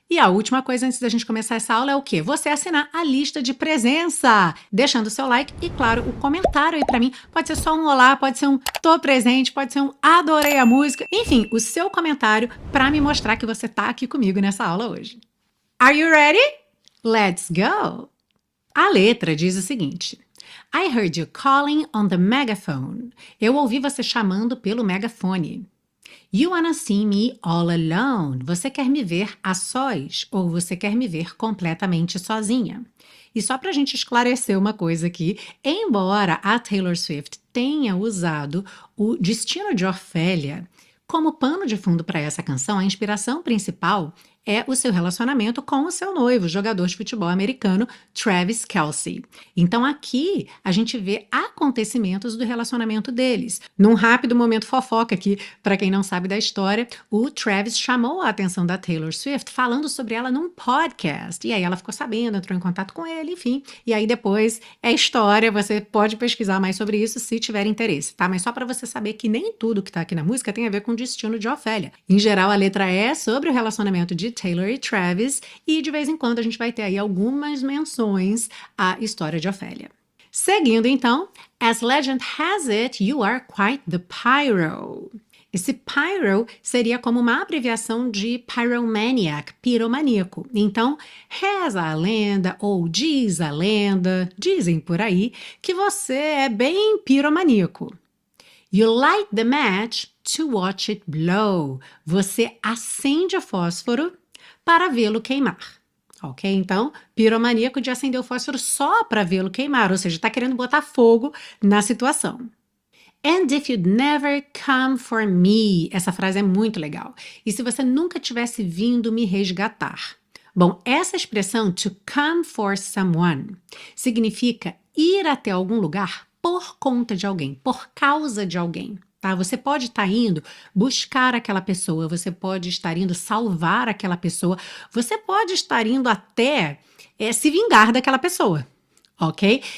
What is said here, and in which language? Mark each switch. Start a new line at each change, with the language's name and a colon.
Portuguese: E a última coisa antes da gente começar essa aula é o quê? Você assinar a lista de presença, deixando seu like e, claro, o comentário aí pra mim. Pode ser só um olá, pode ser um tô presente, pode ser um adorei a música. Enfim, o seu comentário pra me mostrar que você tá aqui comigo nessa aula hoje.
English: Are you ready? Let's go!
Portuguese: A letra diz o seguinte.
English: I heard you calling on the megaphone.
Portuguese: Eu ouvi você chamando pelo megafone.
English: You wanna see me all alone?
Portuguese: Você quer me ver a sós? Ou você quer me ver completamente sozinha? E só pra gente esclarecer uma coisa aqui, embora a Taylor Swift tenha usado o destino de Ophelia como pano de fundo para essa canção, a inspiração principal é o seu relacionamento com o seu noivo, jogador de futebol americano, Travis Kelce. Então aqui a gente vê acontecimentos do relacionamento deles. Num rápido momento fofoca aqui, para quem não sabe da história, o Travis chamou a atenção da Taylor Swift falando sobre ela num podcast. E aí ela ficou sabendo, entrou em contato com ele, enfim. E aí depois é história, você pode pesquisar mais sobre isso se tiver interesse, tá? Mas só para você saber que nem tudo que tá aqui na música tem a ver com o destino de Ophelia. Em geral, a letra é sobre o relacionamento de Taylor e Travis, e de vez em quando a gente vai ter aí algumas menções à história de Ophelia. Seguindo então,
English: as legend has it, you are quite the pyro.
Portuguese: Esse pyro seria como uma abreviação de pyromaniac, piromaníaco. Então, reza a lenda ou diz a lenda, dizem por aí, que você é bem piromaníaco.
English: You light the match to watch it blow.
Portuguese: Você acende o fósforo para vê-lo queimar. Ok? Então, piromaníaco de acender o fósforo só para vê-lo queimar. Ou seja, está querendo botar fogo na situação.
English: And if you'd never come for me.
Portuguese: Essa frase é muito legal. E se você nunca tivesse vindo me resgatar? Bom, essa expressão,
English: to come for someone,
Portuguese: significa ir até algum lugar por conta de alguém, por causa de alguém, tá? Você pode estar indo buscar aquela pessoa, você pode estar indo salvar aquela pessoa, você pode estar indo até se vingar daquela pessoa. Ok?